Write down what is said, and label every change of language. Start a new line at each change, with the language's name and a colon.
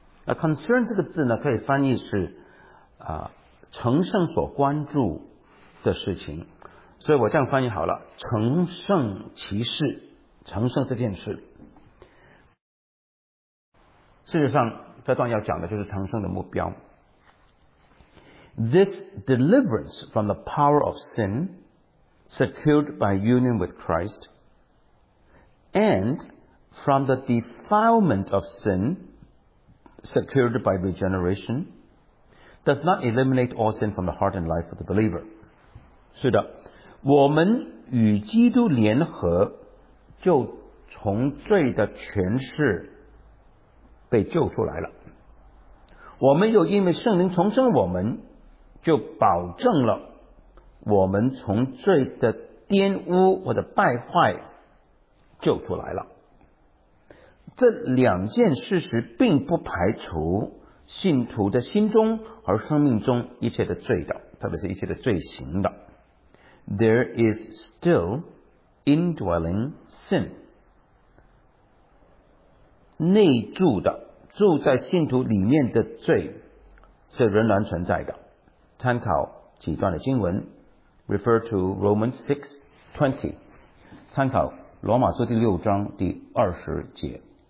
English: A concern
Chinese: 这个字呢可以翻译是、成圣所关注的事情。所以我这样翻译好了，成圣其事，成圣这件事。事实上这段要讲的就是成圣的目标。
English: This deliverance from the power of sin, secured by union with Christ, and from the defilement of sin, secured by regeneration, does not eliminate all sin from the heart and life of the believer.
Chinese: 是的，我们与基督联合，就从罪的权势被救出来了。我们又因为圣灵重生我们，就保证了我们从罪的玷污或者败坏救出来了。这两件事实并不排除信徒的心中和生命中一切的罪的，特别是一切的罪行的。
English: There is still indwelling sin.
Chinese: 内住的，住在信徒里面的罪是仍然存在的。参考几段的经文，
English: refer to Romans 6:20，
Chinese: 参考罗马书第六章第二十节。